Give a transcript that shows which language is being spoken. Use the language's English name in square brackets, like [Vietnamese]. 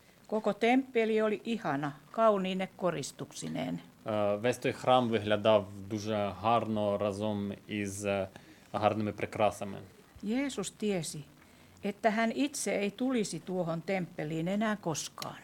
[Finnish] Koko temppeli oli ihana, kauniine koristuksineen. [Ukrainian] Весь той храм виглядав дуже гарно разом із гарними прикрасами. [Finnish] Jeesus tiesi, että hän itse ei tulisi tuohon temppeliin enää koskaan.